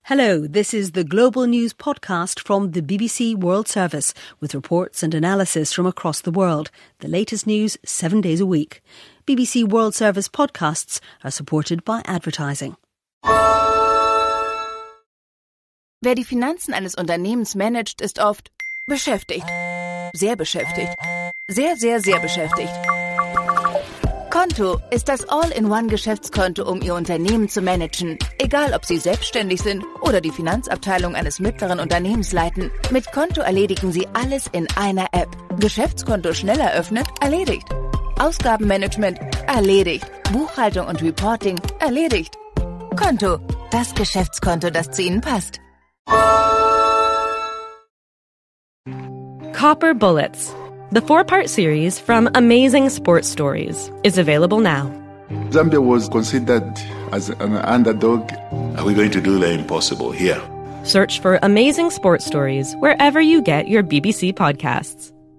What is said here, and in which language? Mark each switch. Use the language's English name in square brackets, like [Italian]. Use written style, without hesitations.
[English] Hello, this is the Global News Podcast from the BBC World Service with reports and analysis from across the world. The latest news 7 days a week. BBC World Service podcasts are supported by advertising. [German] Wer die Finanzen eines Unternehmens managt, ist oft beschäftigt. Sehr beschäftigt. Sehr, sehr, sehr beschäftigt. Konto ist das All-in-One-Geschäftskonto, um Ihr Unternehmen zu managen. Egal, ob Sie selbstständig sind oder die Finanzabteilung eines mittleren Unternehmens leiten. Mit Konto erledigen Sie alles in einer App. Geschäftskonto schnell eröffnet? Erledigt. Ausgabenmanagement? Erledigt. Buchhaltung und Reporting? Erledigt. Konto. Das Geschäftskonto, das zu Ihnen passt. [English] Copper Bullets. The four-part series from Amazing Sports Stories is available now. Zambia was considered as an underdog. Are we going to do the impossible here? Search for Amazing Sports Stories wherever you get your BBC podcasts.